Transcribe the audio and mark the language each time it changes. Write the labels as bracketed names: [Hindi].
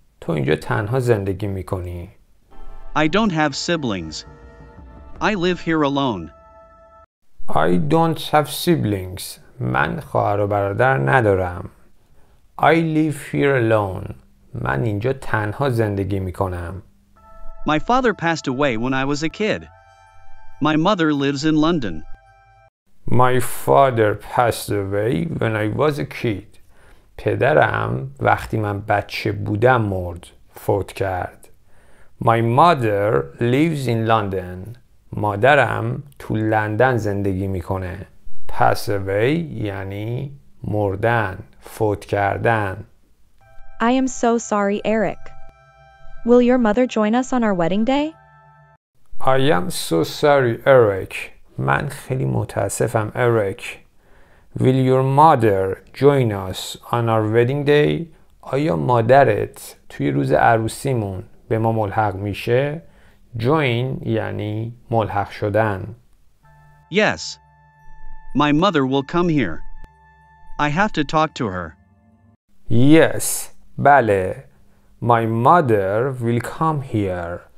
[Persian] تو اینجا تنها زندگی میکنی. [English] I don't have siblings. I live here alone. I don't have siblings. [Persian] من خواهر و برادر ندارم. [English] I live here alone. [Persian] من اینجا تنها زندگی میکنم. [English] My father passed away when I was a kid. My mother lives in London. My father passed away when I was a kid. [Persian] پدرم وقتی من بچه بودم مرد, فوت کرد. [English] My mother lives in London. [Persian] مادرم تو لندن زندگی میکنه. [English] Pass away [Persian] یعنی مردن, فوت کردن. [English] I am so sorry, Eric. Will your mother join us on our wedding day? I am so sorry, Eric. [Persian] من خیلی متاسفم, [English] Eric. Will your mother join us on our wedding day? [Persian] آیا مادرت توی روز عروسیمون به ما ملحق میشه؟ Join یعنی ملحق شدن. [English] Yes. My mother will come here. I have to talk to her. Yes. بله. My mother will come here.